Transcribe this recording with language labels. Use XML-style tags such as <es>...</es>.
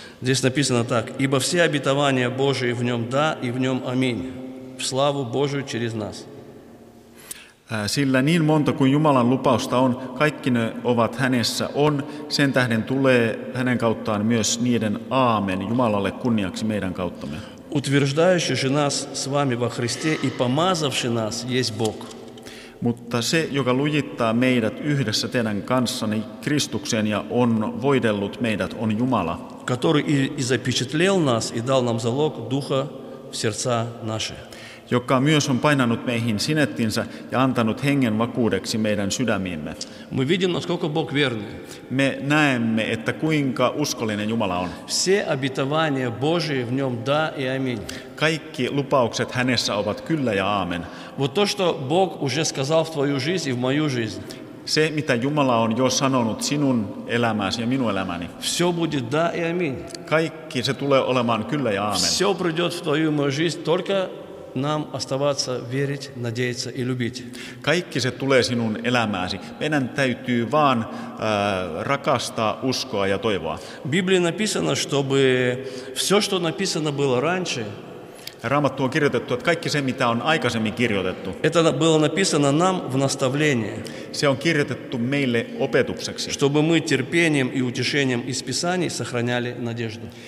<ru>Здесь написано так: ибо все обетования Божии в нем да и в нем аминь, в славу Божию через нас.</ru> <fi>Sillä niin monta kuin Jumalan lupausta on, kaikki ne ovat hänessä on, sen tähden tulee hänen kauttaan myös niiden aamen Jumalalle kunniaksi meidän kauttamme.</fi> <ru>Утверждающий же нас с вами во Христе и помазавший нас есть Бог.</ru> <fi>Mutta se, joka lujittaa meidät yhdessä teidän kanssani Kristukseen ja on voidellut meidät, on Jumala.</fi> <ru>Который и запечатлел нас и дал нам залог духа в сердца наши.</ru> <fi>Joka myös on painanut meihin sinettinsä ja antanut hengen vakuudeksi meidän sydämiimme.</fi> <ru>Мы видим, насколько Бог верный.</ru> <fi>Me näemme, että kuinka uskollinen Jumala on.</fi> <ru>Все обетования Божии в нем да и аминь.</ru> <fi>Kaikki lupaukset hänessä ovat kyllä ja aamen.</fi> <ru>Вот то, что Бог уже сказал в твою жизнь и в мою жизнь.</ru> <fi>Se, mitä Jumala on jo sanonut sinun elämääsi ja minun elämäni.</fi> <ru>Все будет да и аминь.</ru> <fi>Kaikki se tulee olemaan kyllä ja aamen.</fi> <ru>Все придет в твою и мою жизнь, только нам оставаться верить, надеяться и любить.</ru> <fi>Kaikki se tulee sinun elämääsi. Meidän täytyy vaan rakastaa, uskoa ja toivoa.</fi> <ru>Библии написано, чтобы все, что написано было раньше,</ru> <fi>Raamattu on kirjoitettu, että kaikki se, mitä on aikaisemmin kirjoitettu,</fi> <ru>это было написано нам в наставление,</ru> <fi>se on kirjoitettu meille opetukseksi,</fi> <ru>чтобы мы терпением и утешением из Писаний сохраняли надежду,</ru>